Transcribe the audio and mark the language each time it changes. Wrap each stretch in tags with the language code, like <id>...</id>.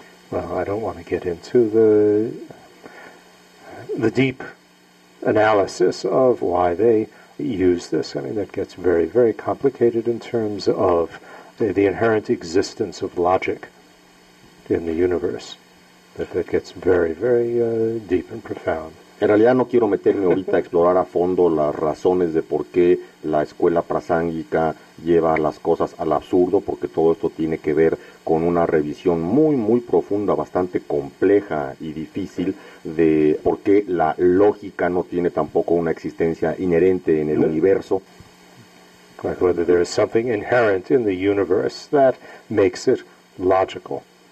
<en>Well, I don't want to get into the deep analysis of why they use this. That gets very, very complicated in terms of the inherent existence of logic in the universe. That gets very, very deep and profound.</en> <es>En realidad no quiero meterme ahorita a explorar a fondo las razones de por qué la escuela prasángica lleva las cosas al absurdo, porque todo esto tiene que ver con una revisión muy, muy profunda, bastante compleja y difícil, de por qué la lógica no tiene tampoco una existencia inherente en el universo.</es> <en>Like whether there is something inherent in the universe that makes it logical.</en>